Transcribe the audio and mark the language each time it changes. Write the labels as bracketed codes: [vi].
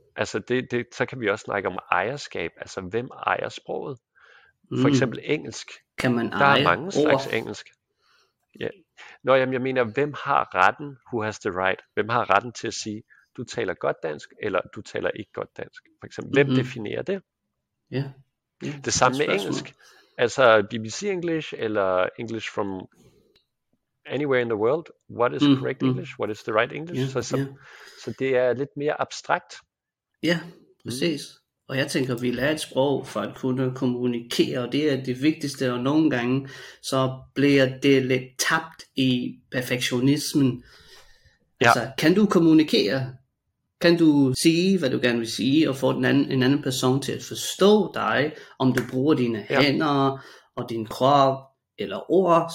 [da] Altså det, så kan vi også snakke om ejerskab. Altså, hvem ejer sproget? For eksempel engelsk. Kan man der eje er mange ord? Slags engelsk. Ja. Nå, jamen, jeg mener, hvem har retten? [en] Who has the right? [da] Hvem har retten til at sige, du taler godt dansk, eller du taler ikke godt dansk? For eksempel, hvem definerer det? Ja. Det samme med engelsk. [en] Altså BBC English, eller English from anywhere in the world. What is correct English? What is the right English? [da] Yeah, så det er lidt mere abstrakt. Ja, præcis. Og jeg tænker, vi lærer et sprog for at kunne kommunikere, og det er det vigtigste, og nogle gange så bliver det lidt tabt i perfektionismen. Ja. Altså, kan du kommunikere? Kan du sige, hvad du gerne vil sige, og få en anden person til at forstå dig, om du bruger dine hænder og din krop eller ord?